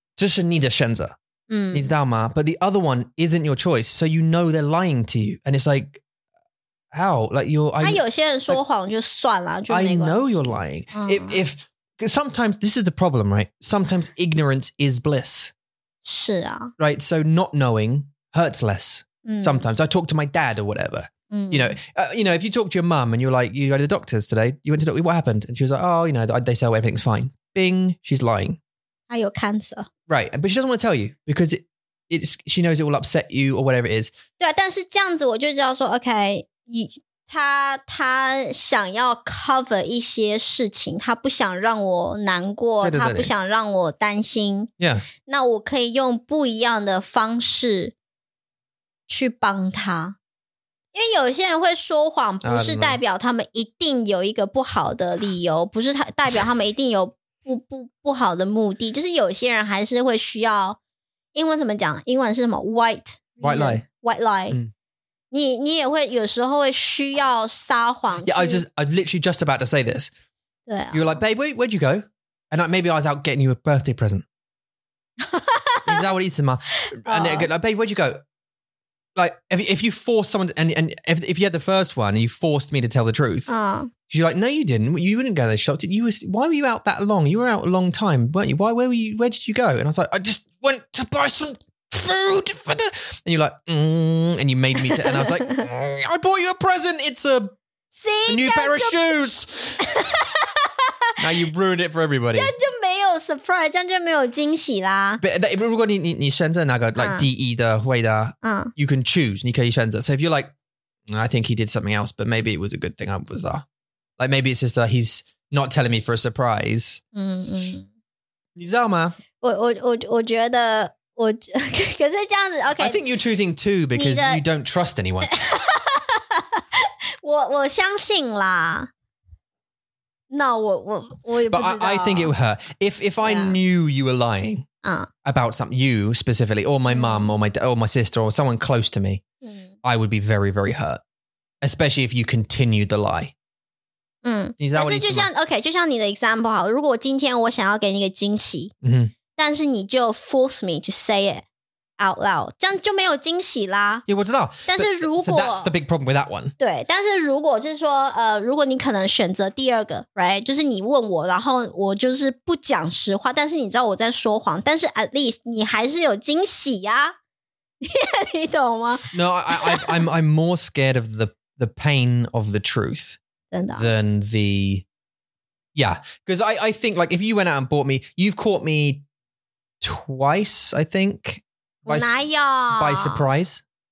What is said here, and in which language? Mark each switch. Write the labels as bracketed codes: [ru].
[zh] 但是如果你可以选，如果他们实话，告诉你实话，这是你的选择，你知道吗？ [en] But the other one isn't your choice, so you know they're lying to you. And it's like, how? Like you're... I know you're lying. If sometimes, this is the problem, right? Sometimes ignorance is bliss. [zh] 是啊。 [en] Right, so not knowing hurts less. Sometimes I talk to my dad or whatever. You know, if you talk to your mum and you're like, you go to the doctors today, you went to the doctor, what happened? And she was like, oh, you know, they say everything's fine. Bing, she's lying. I have cancer. Right, but she doesn't want to tell you because she knows it will upset you or whatever it is. [zh] 对啊，但是这样子我就知道说，OK, 他想要 cover 一些事情，他不想让我难过，对对对，他不想让我担心。 [en] Yeah. [zh] 那我可以用不一样的方式去帮他。因为有些人会说谎，不是代表他们一定有一个不好的理由，不是代表他们一定有不好的目的，就是有些人还是会需要，英文怎么讲？英文是什么 ？White [en] lie. White lie.、嗯 [zh] 你也会有时候会需要撒谎。 [en] Yeah, I was literally just about to say this. [zh] 对、啊、 [en] You were like, babe, where'd you go? And like, maybe I was out getting you a birthday present. Is that what it is, ma? And they're like, babe, where'd you go? Like, if you force someone, and if you had the first one and you forced me to tell the truth, you're like, no, you didn't. You wouldn't go to the shop. Why were you out that long? You were out a long time, weren't you? Where did you go? And I was like, I just went to buy some... food for the and you're like、mm, and you made me to, and I was like、mm, I bought you a present it's a, See, a new pair of shoes now you ruined it for everybody [zh] 这样就没有 surprise 这样就没有惊喜啦 [en] but [zh] 如果你选择那个 [en] like DE [zh] 的味道、 [en] you can choose [zh] 你可以选择 [en] so if you're like I think he did something else but maybe it was a good thing I was there like maybe it's just that he's not telling me for a surprise、 mm-hmm. [zh] 你知道吗我觉得我可是这样子 ，OK。 [en] I think you're choosing two because you don't trust anyone. [zh] 我相信啦。No, 我也不知道。 [en] But I think it would hurt. If I、yeah. knew you were lying、about something, you specifically, or my mom, or my sister, or someone close to me,、 mm. I would be very, very hurt. Especially if you continued the lie. [zh] 嗯，但是就像 OK， 就像你的 example 好，如果今天我想要给你一个惊喜，嗯。但是你就 [en] force me to say it out loud, [zh] 这样就没有惊喜啦。 Yeah, 我知道。但是如果 [en] so that's the big problem with that one. [zh] 对，但是如果就是说，如果你可能选择第二个 ，right， 就是你问我，然后我就是不讲实话，但是你知道我在说谎，但是 [en] at least [zh] 你还是有惊喜呀，你懂吗 [en] ？No, I'm more scared of the pain of the truth than the yeah, because I think like if you went out and bought me, you've caught me. Twice, I think. By surprise.、